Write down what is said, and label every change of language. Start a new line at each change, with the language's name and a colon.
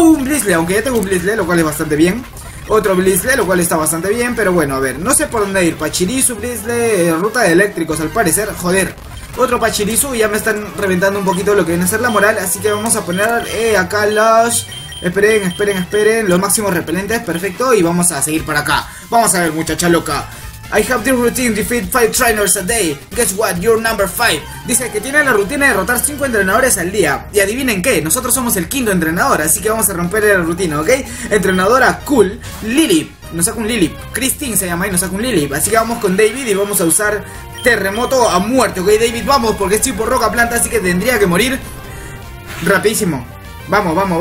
Spanish: Un Blizzle, aunque ya tengo un Blizzle, lo cual es bastante bien. Otro Blizzle, lo cual está bastante bien, pero bueno, a ver. No sé por dónde ir, Pachirisu, Blizzle, ruta de eléctricos al parecer, joder. Otro Pachirisu, ya me están reventando un poquito lo que viene a ser la moral. Así que vamos a poner, acá Lush. Esperen, los máximos repelentes, perfecto. Y vamos a seguir para acá. Vamos a ver, muchacha loca.
English: I have the routine, defeat 5 trainers a day. Guess what, you're number 5.
Spanish: Dice que tiene la rutina de derrotar 5 entrenadores al día. Y adivinen qué, nosotros somos el quinto entrenador, así que vamos a romper la rutina, ¿ok? Entrenadora cool, Lilip. Nos saca un Lilip. Christine se llama y nos saca un Lilip. Así que vamos con David y vamos a usar terremoto a muerte, ¿ok? David, vamos, porque es tipo roca planta, así que tendría que morir rapidísimo. Vamos.